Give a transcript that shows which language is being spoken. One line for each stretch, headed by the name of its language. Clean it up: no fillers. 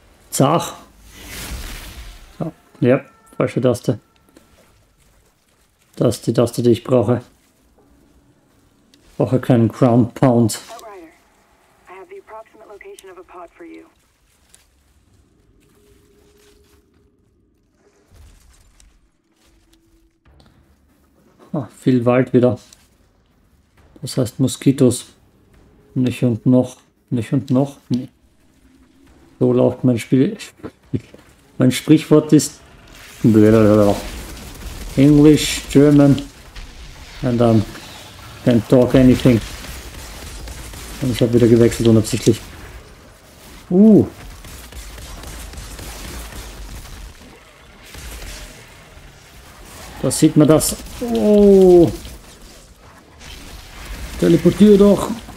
German: Zach. Oh, ja, falsche Taste. Das ist die Taste, die ich brauche. Ich brauche keinen Crown Pound.
English: Outrider, I have the approximate location of a pod for you.
German: Oh, viel Wald wieder. Das heißt Moskitos. Nicht und noch. Nicht und noch. Nee. So läuft mein Spiel. Mein Sprichwort ist
English: English, German and can't talk anything.
German: Und ich habe wieder gewechselt unabsichtlich. Da sieht man das. Oh. Teleportier doch.